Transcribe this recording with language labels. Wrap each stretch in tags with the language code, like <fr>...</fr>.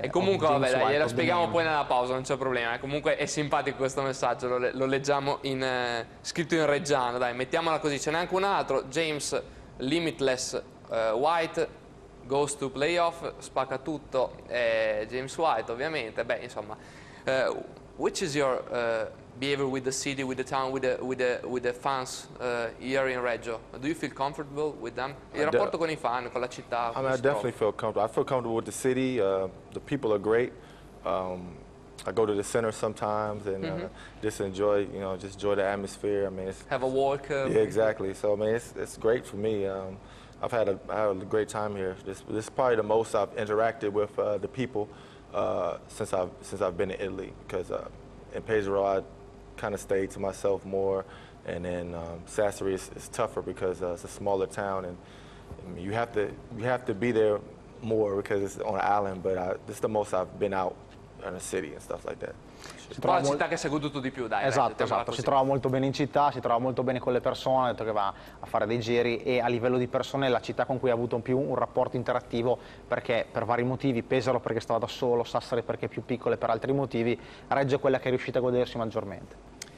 <it>E comunque, vabbè, dai, gliela spieghiamo poi nella pausa, non c'è problema. Comunque è simpatico questo messaggio, lo leggiamo in scritto in reggiano, dai, mettiamola così. Ce n'è anche un altro, James Limitless White</it> <en>goes to playoff,</en> <it>spacca tutto. James White, ovviamente, beh, insomma.</it> <en>Which is your behavior with the city, with the town, with the fans here in Reggio. Do you feel comfortable with them?</en> <it>Il rapporto con i fan, con la città.</it> <en>I mean, I definitely feel comfortable. I feel comfortable with the city. The people are great. I go to the center sometimes and just enjoy, you know, just enjoy the atmosphere. I mean, it's, have a walk. Yeah, exactly. So I mean, it's great for me. I've had a great time here. This is probably the most I've interacted with the people since I've been in Italy. Because in Pesaro, I kind of stayed to myself more, and then Sassari is tougher because it's a smaller town, and I mean, you have to be there more because it's on an island. But this is the most I've been out in a city and stuff like that.</en> <it>Si trova la città che sei goduto di più, dai. Esatto. Si trova molto bene in città, si trova molto bene con le persone, ha detto che va a fare dei giri, e a livello di persone è la città con cui ha avuto più un rapporto interattivo, perché per vari motivi, Pesaro perché stava da solo, Sassari perché è più piccolo, e per altri motivi Reggio è quella che è riuscita a godersi maggiormente.</it>